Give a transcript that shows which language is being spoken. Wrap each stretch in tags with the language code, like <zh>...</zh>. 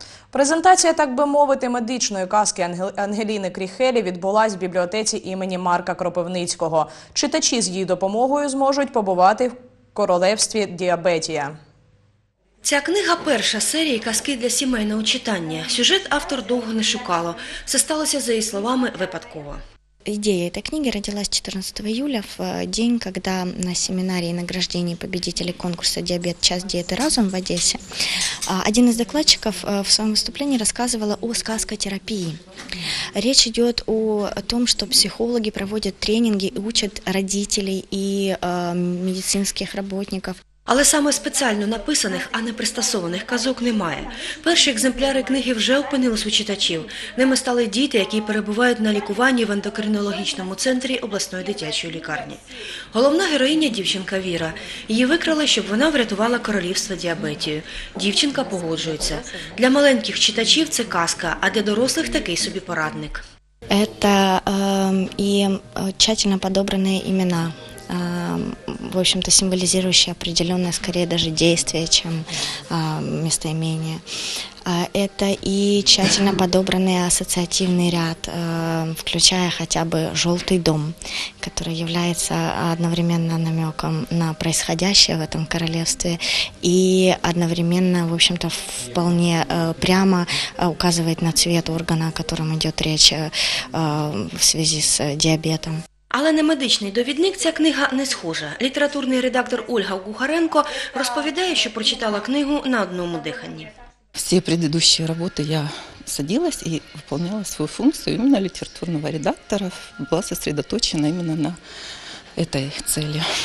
<uk>Презентація, так би мовити, медичної казки Ангеліни Кріхелі відбулась в бібліотеці імені Марка Кропивницького. Читачі з її допомогою зможуть побувати в королевстві Діабетія. Ця книга – перша серія казки для сімейного читання. Сюжет автор довго не шукала. Все сталося, за її словами, випадково.</uk> <ru>Идея этой книги родилась 14 июля, в день, когда на семинаре награждения победителей конкурса «Диабет. Час диеты разум» в Одессе один из докладчиков в своем выступлении рассказывал о сказкотерапии. Речь идет о том, что психологи проводят тренинги и учат родителей и медицинских работников.</ru> <uk>Але саме спеціально написаних, а не пристосованих казок немає. Перші екземпляри книги вже опинились у читачів. Ними стали діти, які перебувають на лікуванні в ендокринологічному центрі обласної дитячої лікарні. Головна героїня – дівчинка Віра. Її викрали, щоб вона врятувала королівство діабетію. Дівчинка погоджується. Для маленьких читачів це казка, а для дорослих – такий собі порадник. Це і тщательно підібрані імена.</uk> <ru>В общем-то, символизирующие определенное, скорее даже действие, чем местоимение. Это и тщательно подобранный ассоциативный ряд, включая хотя бы «желтый дом», который является одновременно намеком на происходящее в этом королевстве и одновременно, в общем-то, вполне прямо указывает на цвет органа, о котором идет речь в связи с диабетом.</ru> <uk>Але не медичний довідник, ця книга не схожа. Літературний редактор Ольга Гухаренко розповідає, що прочитала книгу на одному диханні. Всі предыдущі роботи я садилась і виконувала свою функцію іменно літературного редактора, була зосереджена іменно на цій цілі.</uk>